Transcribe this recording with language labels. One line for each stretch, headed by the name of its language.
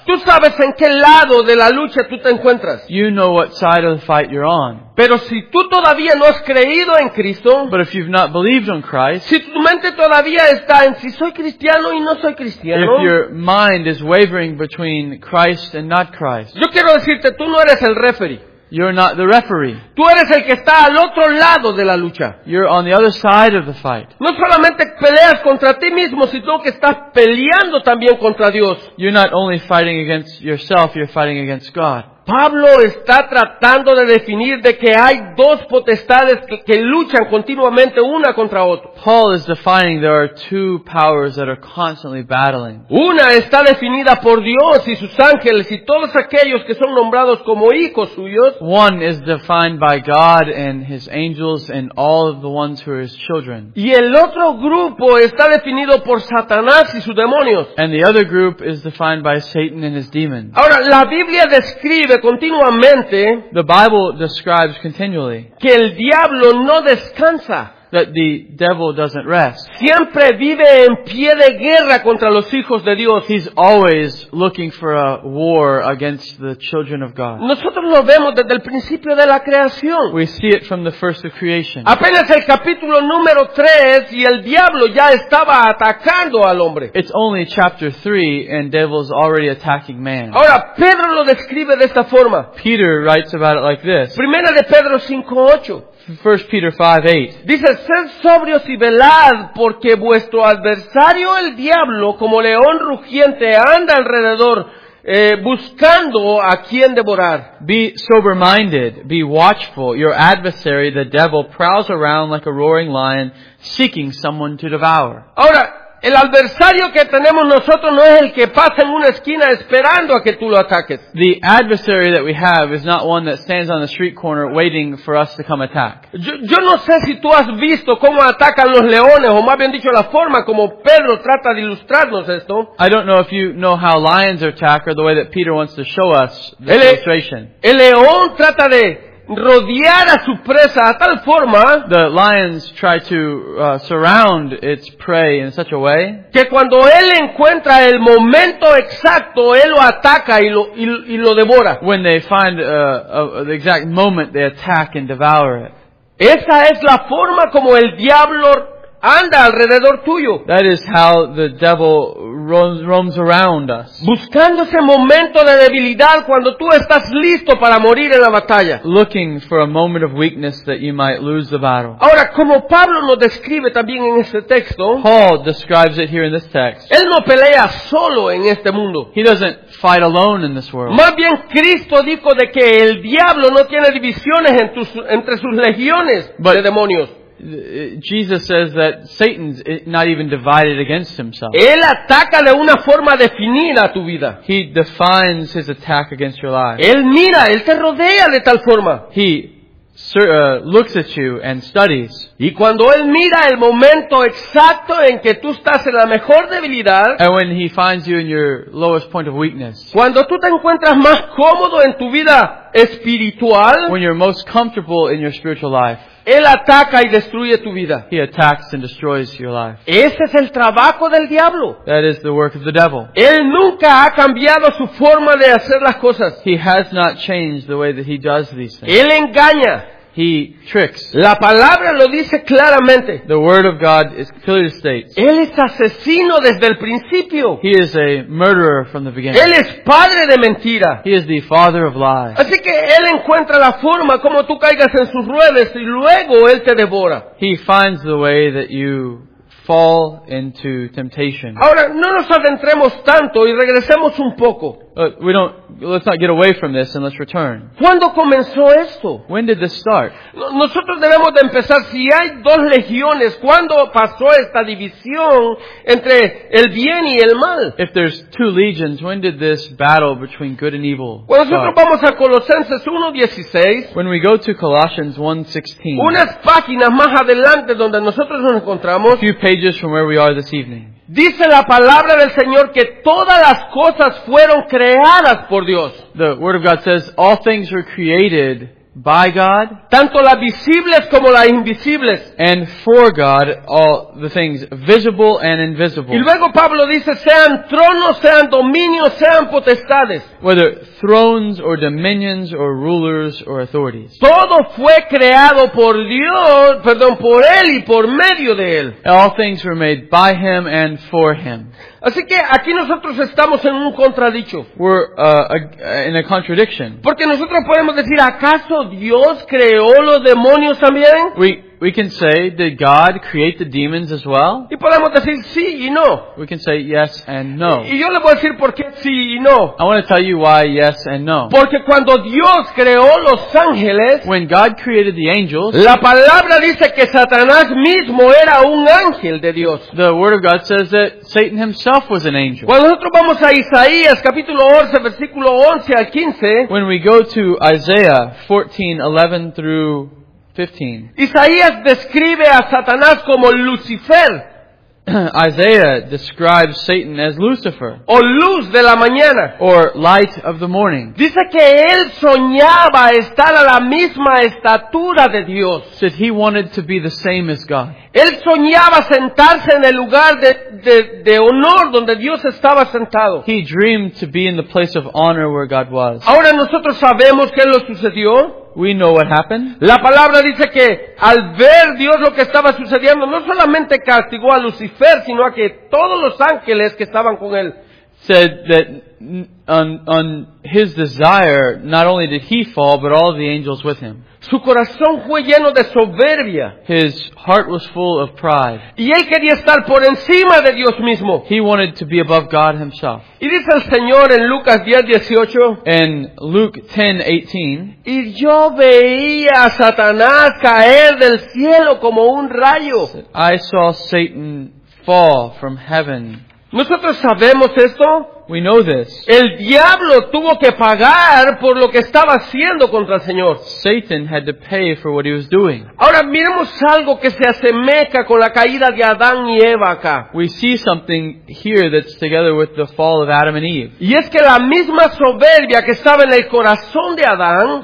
Spanish: tú sabes en qué lado de la lucha tú te encuentras.
English: You know what side of the fight you're on.
Spanish: Pero si tú todavía no has creído en Cristo,
English: but if you've not believed on Christ,
Spanish: si tu mente todavía está en si soy cristiano y no soy cristiano,
English: if your mind is wavering between Christ and not Christ.
Spanish: Yo quiero decirte, tú no eres el referee.
English: You're not the referee.
Spanish: Tú eres el que está al otro lado de la lucha.
English: You're on the other side of the fight.
Spanish: No solamente peleas contra ti mismo, sino que estás peleando también contra Dios.
English: You're not only fighting against yourself, you're fighting against God.
Spanish: Pablo está tratando de definir de que hay dos potestades que luchan continuamente una contra otra.
English: Paul is defining there are two powers that are constantly battling.
Spanish: Una está definida por Dios y sus ángeles y todos aquellos que son nombrados como hijos suyos.
English: One is defined by God and his angels and all of the ones who are his children.
Spanish: Y el otro grupo está definido por Satanás y sus demonios.
English: And the other group is defined by Satan and his demons.
Spanish: Ahora, la Biblia describe continuamente,
English: the Bible describes continually
Spanish: que el diablo no descansa,
English: that the devil doesn't rest.
Spanish: Siempre vive en pie de guerra contra los hijos de Dios.
English: He's always looking for a war against the children of God.
Spanish: Nosotros lo vemos desde el principio de la creación.
English: We see it from the first of creation.
Spanish: Apenas el capítulo número 3 y el diablo ya estaba atacando al hombre.
English: It's only chapter 3 and devil's already attacking man.
Spanish: Ahora, Pedro lo describe de esta forma.
English: Peter writes about it like this.
Spanish: Primera de Pedro 5:8.
English: 1 Peter 5:8.
Spanish: Dice, sed sobrios y velad, porque vuestro adversario el diablo, como león rugiente, anda alrededor, buscando a quien devorar.
English: Be sober-minded, be watchful. Your adversary, the devil, prowls around like a roaring lion, seeking someone to devour.
Spanish: Ahora, el adversario que tenemos nosotros no es el que pasa en una esquina esperando a que tú lo ataques.
English: The adversary that we have is not one that stands on the street corner waiting for us to come attack.
Spanish: Yo no sé si tú has visto cómo atacan los leones, o más bien dicho, la forma como Pedro trata de ilustrarnos esto.
English: I don't know if you know how lions are attacked or the way that Peter wants to show us the illustration.
Spanish: El león trata de rodear a su presa a tal forma,
English: the lions try to surround its prey in such a way,
Spanish: que cuando él encuentra el momento exacto, él lo ataca y lo devora.
English: When they find the exact moment, they attack and devour it.
Spanish: Esa es la forma como el diablo anda alrededor tuyo.
English: That is how the devil roams around us.
Spanish: Buscando ese momento de debilidad cuando tú estás listo para morir en la batalla.
English: Looking for a moment of weakness that you might lose the battle.
Spanish: Ahora, como Pablo lo describe también en este texto,
English: Paul describes it here in this text.
Spanish: Él no pelea solo en este mundo.
English: He doesn't fight alone in this world.
Spanish: Más bien, Cristo dijo de que el diablo no tiene divisiones entre sus legiones de demonios.
English: Jesus says that Satan's not even divided against himself.
Spanish: Él ataca de una forma definida tu vida.
English: He defines his attack against your life.
Spanish: Él mira, él te rodea de tal forma.
English: He looks at you and studies.
Spanish: Y cuando él mira el momento exacto en que tú estás en la mejor debilidad.
English: And when he finds you in your lowest point of weakness.
Spanish: Cuando tú te encuentras más cómodo en tu vida espiritual.
English: When you're most comfortable in your spiritual life.
Spanish: Él ataca y destruye tu vida.
English: He attacks and destroys your life.
Spanish: Ese es el trabajo del diablo.
English: That is the work of the devil.
Spanish: Él nunca ha cambiado su forma de hacer las cosas.
English: He has not changed the way that he does these things.
Spanish: Él engaña.
English: He tricks.
Spanish: La palabra lo dice claramente.
English: The word of God is clearly states.
Spanish: Él es asesino desde el principio.
English: He is a murderer from the beginning.
Spanish: Él es padre de mentira.
English: He is the father of lies.
Spanish: Así que él encuentra la forma como tú caigas en sus redes y luego él te devora.
English: He finds the way that you fall into temptation.
Spanish: Ahora, no nos adentremos tanto y regresemos un poco.
English: Let's not get away from this and let's return.
Spanish: ¿Cuándo comenzó esto?
English: When did this start?
Spanish: Nosotros debemos de empezar, si hay dos legiones, ¿cuándo pasó esta división entre el bien y el mal?
English: If there's two legions, when did this battle between good and evil start?
Spanish: Cuando nosotros vamos a Colosenses 1:16,
English: when we go to Colossians 1:16,
Spanish: unas páginas más adelante donde nosotros nos encontramos,
English: a few pages from where we are this evening.
Spanish: Dice la palabra del Señor que todas las cosas fueron creadas por Dios.
English: The word of God says all things were created by God.
Spanish: Tanto las visibles como las invisibles.
English: And for God all the things visible and invisible.
Spanish: Y luego Pablo dice sean tronos, sean dominios, sean potestades.
English: Whether thrones or dominions or rulers or authorities.
Spanish: Todo fue creado por Dios, perdón, por él y por medio de él.
English: All things were made by him and for him.
Spanish: Así que aquí nosotros estamos en un contradicho.
English: We're in a contradiction.
Spanish: Porque nosotros podemos decir, ¿acaso Dios creó los demonios también?
English: We can say, did God create the demons as well?
Spanish: Y podemos decir sí y no.
English: We can say yes and no.
Spanish: Y yo le voy a decir por qué sí y no.
English: I want to tell you why yes and no.
Spanish: Porque cuando Dios creó los ángeles,
English: when God created the angels,
Spanish: la palabra dice que Satanás mismo era un ángel de Dios.
English: The word of God says that Satan himself was an angel.
Spanish: Cuando nosotros vamos a Isaías capítulo 11 versículo 11 al 15,
English: when we go to Isaiah 14:11 through 15.
Spanish: Isaías describe a Satanás como Lucifer.
English: Isaiah describes Satan as Lucifer.
Spanish: O luz de la mañana.
English: Or light of the morning.
Spanish: Dice que él soñaba estar a la misma estatura de Dios.
English: Said he wanted to be the same as God.
Spanish: Él soñaba sentarse en el lugar de honor donde Dios estaba sentado.
English: He dreamed to be in the place of honor where God was.
Spanish: Ahora nosotros sabemos qué le sucedió.
English: We know what happened.
Spanish: La palabra dice que al ver Dios lo que estaba sucediendo, no solamente castigó a Lucifer, sino a que todos los ángeles que estaban con él.
English: Said that on his desire, not only did he fall, but all the angels with him.
Spanish: Su corazón fue lleno de soberbia.
English: His heart was full of pride.
Spanish: Y él quería estar por encima de Dios mismo.
English: He wanted to be above God himself.
Spanish: Y dice el Señor en Lucas 10:18.
English: In Luke 10:18.
Spanish: Y yo veía a Satanás caer del cielo como un rayo.
English: I saw Satan fall from heaven.
Spanish: Nosotros sabemos esto.
English: We know this.
Spanish: El diablo tuvo que pagar por lo que estaba haciendo contra el Señor.
English: Satan had to pay for what he was doing.
Spanish: Ahora miremos algo que se asemeja con la caída de Adán y Eva acá.
English: We see something here that's together with the fall of Adam and Eve.
Spanish: Y es que la misma soberbia que estaba en el corazón de Adán,